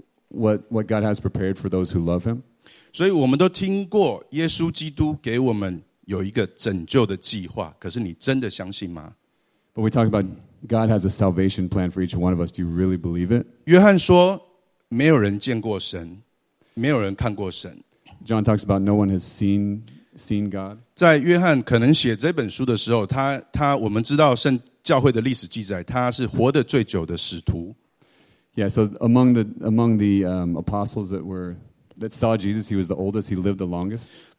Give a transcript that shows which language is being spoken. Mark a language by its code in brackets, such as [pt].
[en] What God has prepared for those who love Him. [zh] 所以我们都听过耶稣基督给我们有一个拯救的计划，可是你真的相信吗？ [en] But we talk about God has a salvation plan for each one of us. Do you really believe it? [zh] 约翰说，没有人见过神，没有人看过神。John [en] talks about no one has seen God. [zh] 在约翰可能写这本书的时候，他我们知道圣教会的历史记载，他是活得最久的使徒。 [en] Yeah, so among the apostles that saw Jesus, he was the oldest, he lived the longest.